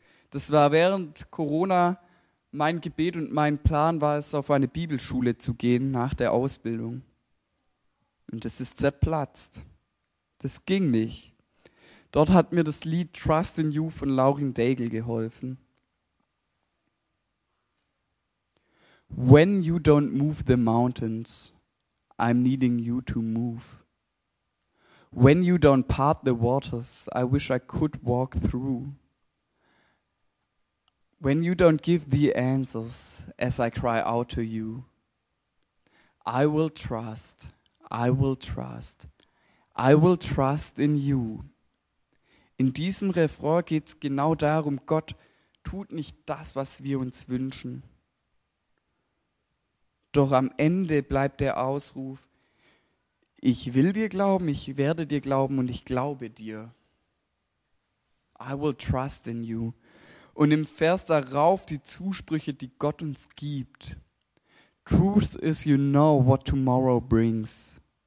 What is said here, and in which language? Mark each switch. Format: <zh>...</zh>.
<de>Das war während Corona mein Gebet und mein Plan war es, auf eine Bibelschule zu gehen nach der Ausbildung. Und es ist zerplatzt. Das ging nicht. Dort hat mir das Lied Trust in You von Laurin Daigle geholfen.</de> <en>When you don't move the mountains, I'm needing you to move. When you don't part the waters, I wish I could walk through. When you don't give the answers, as I cry out to you, I will trust in you.</en> <de>In diesem Refrain geht es genau darum, Gott tut nicht das, was wir uns wünschen. Doch am Ende bleibt der Ausruf, ich will dir glauben, ich werde dir glauben und ich glaube dir.</de> <en>I will trust in you.</en> <de>Und im Vers darauf die Zusprüche, die Gott uns gibt.</de> <en>Truth is, you know what tomorrow brings.</en>